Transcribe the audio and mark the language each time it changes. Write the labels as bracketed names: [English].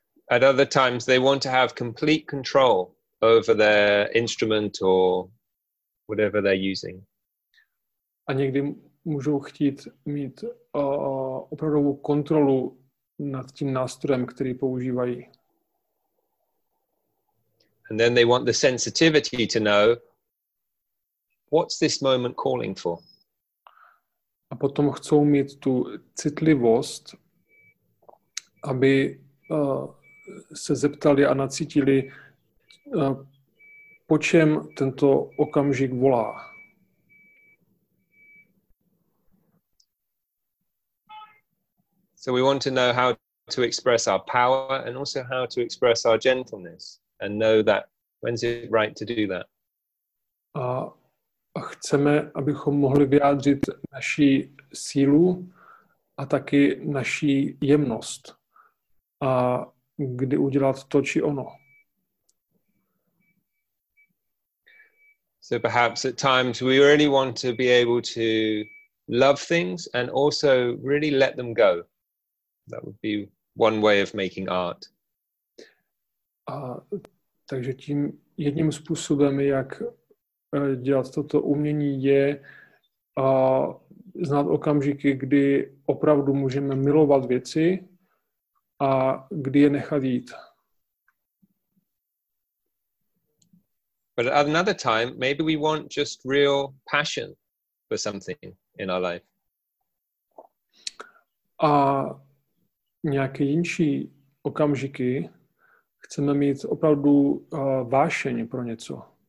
[English] At other times they want to have complete control over their instrument or whatever they're using. [Czech] A někdy můžou chtít mít opravdovou kontrolu nad tím nástrojem, který používají. [English] And then they want the sensitivity to know what's this moment calling for. [Czech] A potom chcou mít tu citlivost, aby se zeptali a nacítili, po čem tento okamžik volá. [English] So we want to know how to express our power and also how to express our gentleness. And know that when's it right to do that. [Czech] A chceme, abychom mohli vyjádřit naši sílu a taky naši jemnost. A kdy udělat to či ono. [English] So perhaps at times we really want to be able to love things and also really let them go. That would be one way of making art. [Czech] A takže tím jedním způsobem, jak dělat toto umění, je znát okamžiky, kdy opravdu můžeme milovat věci a kdy je nechat jít. [English] But at another time, maybe we want just real passion for something in our life. [Czech] A nějaké jinší okamžiky, chceme mít opravdu vášeň pro něco.